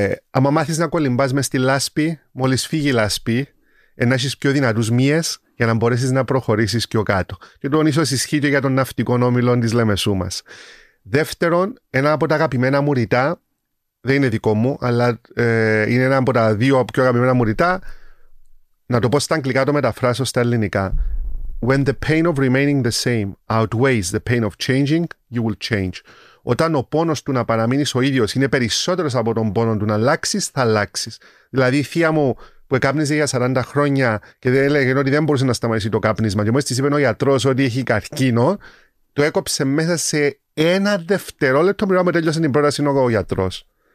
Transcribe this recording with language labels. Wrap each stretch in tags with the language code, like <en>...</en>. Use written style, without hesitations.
<el>Άμα μάθεις να κολυμπάς μες στη λάσπη, μόλις φύγει η λάσπη, να έχεις πιο δυνατούς μύες για να μπορέσεις να προχωρήσεις πιο κάτω. Και το ίσως ισχύει και για τον ναυτικό όμιλο της Λεμεσού μας. Δεύτερον, ένα από τα αγαπημένα μου ρητά, δεν είναι δικό μου, αλλά είναι ένα από τα 2 πιο αγαπημένα μου ρητά, να το πω στα αγγλικά, το μεταφράσω στα ελληνικά.</el> <en>When the pain of remaining the same outweighs the pain of changing, you will change.</en> <el>Όταν ο πόνος του να παραμείνεις ο ίδιος είναι περισσότερος από τον πόνο του να αλλάξεις, θα αλλάξεις. Δηλαδή, η θεία μου που εκάπνιζε για 40 χρόνια και δεν έλεγε ότι δεν μπορούσε να σταματήσει το κάπνισμα, και μόλις της είπε ο γιατρός ότι έχει καρκίνο, το έκοψε μέσα σε ένα δευτερόλεπτο πριν τέλειωσε την πρόταση ο γιατρός.</el>